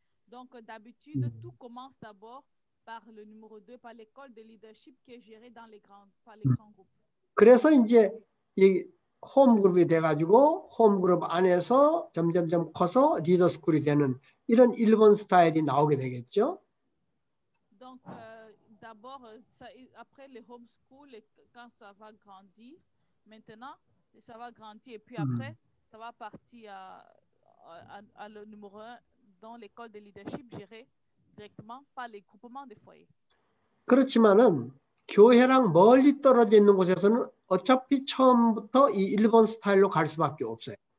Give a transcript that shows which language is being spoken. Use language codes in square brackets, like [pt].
[fr] Donc d'habitude tout commence d'abord par le numéro 2 par l'école de leadership qui est gérée dans les grands par les grands groupes. [ko] 그래서 이제 이 홈 그룹이 돼 가지고 홈 그룹 안에서 점점점 커서 리더 스쿨이 되는 이런 일본 스타일이 나오게 되겠죠? [fr] Donc d'abord ça, après le home school quand ça va grandir maintenant ça va grandir et puis après ça va partir à le numéro 1 dans l'école de leadership gérée directement par les groupements des foyers. [ko] 그렇지만은 교회랑 멀리 떨어져 있는 곳에서는 어차피 처음부터 이 일본 스타일로 갈 수밖에 없어요.